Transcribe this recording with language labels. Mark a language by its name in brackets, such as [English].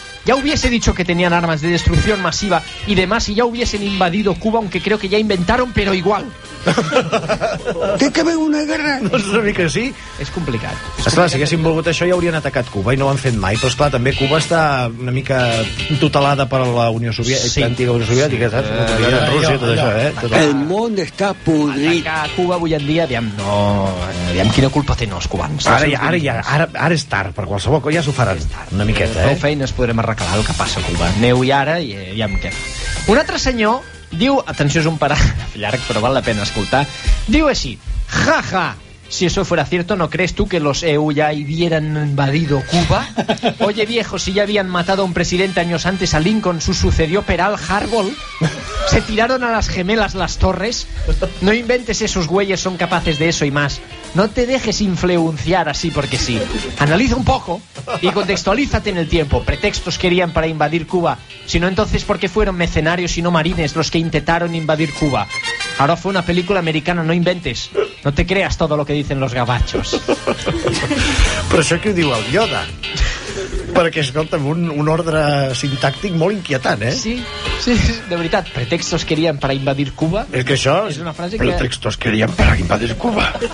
[Spanish] ya hubiese dicho que tenían armas de destrucción masiva y demás, y ya hubiesen invadido Cuba, aunque creo que ya inventaron, pero igual. [Catalan] Té que haver una guerra. Doncs una mica sí. És complicat. Esclar, si haguessin volgut això ja haurien atacat Cuba i no ho han fet mai. Però esclar, també Cuba està una mica tutelada per la Unió Soviètica, l'antiga Unió Soviètica, saps? Rússia, tot això, eh? El món està podrit. Atacar Cuba avui en dia, aviam, no... aviam, quina culpa tenen els cubans. Ara és tard, per qualsevol cosa ja s'ho faran una miqueta, eh? Prou feines podrem arreglar el que passa a Cuba. Aneu-hi ara i aviam què. Un altre senyor... diu, atenció, és un paràgraf llarg, però val la pena escoltar. Diu així: [Spanish] ja, ja, si eso fuera cierto, ¿no crees tú que los EU ya hubieran invadido Cuba? Oye, viejo, si ya habían matado a un presidente años antes, a Lincoln, su sucedió Pearl Harbor, se tiraron a las gemelas las torres. No inventes, esos güeyes son capaces de eso y más. No te dejes influenciar así porque sí. Analiza un poco y contextualízate en el tiempo. Pretextos querían para invadir Cuba. Si no, entonces, ¿por qué fueron mercenarios y no marines los que intentaron invadir Cuba? Ahora fue una película americana, no inventes. No te creas todo lo que dicen los gabachos. [Catalan] Però això que ho diu el Yoda. Perquè, escolta'm, un ordre sintàctic molt inquietant, eh? Sí, de veritat. [Spanish] Pretextos querían para invadir Cuba. [Catalan] És que això... és una frase [Spanish] pretextos [Catalan] que... [Spanish] pretextos querían para invadir Cuba.